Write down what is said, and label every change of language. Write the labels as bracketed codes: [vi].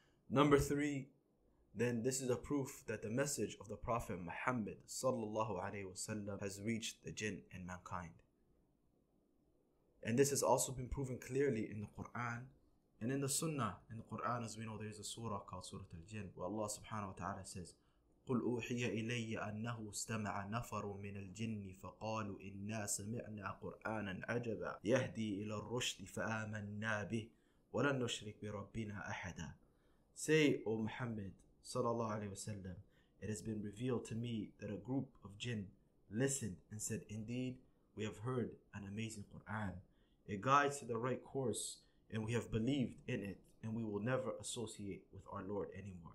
[en] Number three, then this is a proof that the message of the Prophet Muhammad sallallahu alayhi wasallam has reached the jinn and mankind. And this has also been proven clearly in the Quran and in the Sunnah. In the Quran, as we know, there is a surah called Surah Al-Jinn, where Allah subhanahu wa ta'ala says, [ar] قل أوحي إلي أنه استمع نفر من الجن فقالوا إنا سمعنا قرآنا عجبا يهدي إلى الرشد فآمنا به ولن نشرك بربنا أحدا. [en] Say, O Muhammad, sallallahu alayhi wasallam, it has been revealed to me that a group of jinn listened and said, indeed, we have heard an amazing Quran. It guides to the right course and we have believed in it and we will never associate with our Lord anymore.